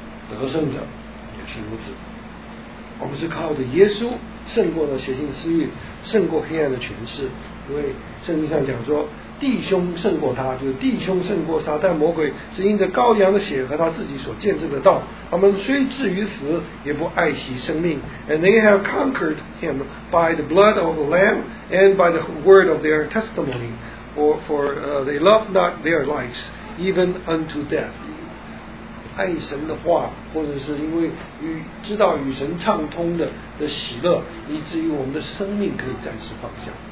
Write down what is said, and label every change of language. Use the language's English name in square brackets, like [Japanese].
[Chinese] 得胜者也是如此。我们是靠着耶稣胜过了邪情私欲，胜过黑暗的权势。因为圣经上讲说，弟兄胜过他，就是弟兄胜过撒旦魔鬼，是因着羔羊的血和他自己所见证的道。他们虽至于死，也不爱惜生命。 [English] And they have conquered him by the blood of the Lamb and by the word of their testimony. For they love not their lives even unto death. [Chinese] 爱神的话，或者是因为知道与神畅通的喜乐，以至于我们的生命可以暂时放下。